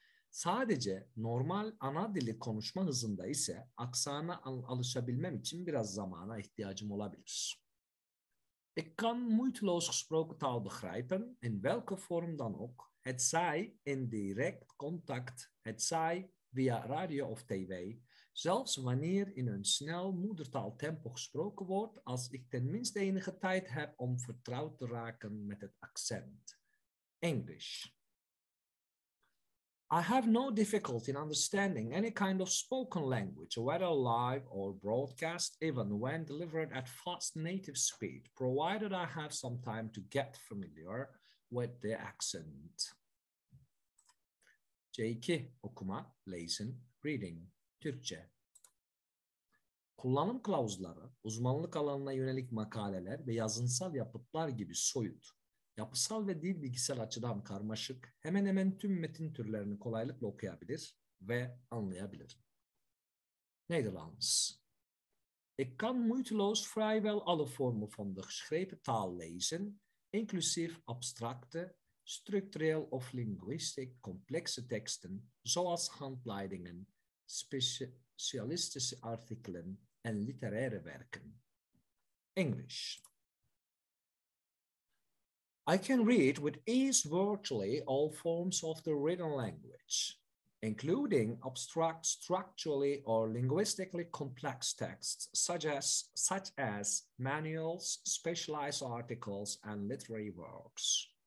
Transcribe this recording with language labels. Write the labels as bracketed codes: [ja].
[tr] Sadece normal ana dili konuşma hızında ise aksana alışabilmem için biraz zamana ihtiyacım olabilir. [nl] Ik kan moeiteloos gesproken taal begrijpen, in welke vorm dan ook, het zij in direct contact, het zij via radio of tv, zelfs wanneer in een snel moedertaaltempo gesproken wordt, als ik tenminste enige tijd heb om vertrouwd te raken met het accent. [en] English. I have no difficulty in understanding any kind of spoken language, whether live or broadcast, even when delivered at fast native speed, provided I have some time to get familiar with the accent. [tr] C2 okuma, [en] listen, reading, [tr] Türkçe. Kullanım kılavuzları, uzmanlık alanına yönelik makaleler ve yazınsal yapıtlar gibi soyut, yapısal ve dil bilgisel açıdan karmaşık, hemen hemen tüm metin türlerini kolaylıkla okuyabilir ve anlayabilir. [nl] Nederlands. Ik kan moeiteloos vrijwel alle vormen van de geschreven taal lezen, inclusief abstracte, structureel of linguistisch complexe teksten, zoals handleidingen, specialistische artikelen en literaire werken. [en] English. I can read with ease virtually all forms of the written language, including abstract, structurally or linguistically complex texts, such as manuals, specialized articles, and literary works.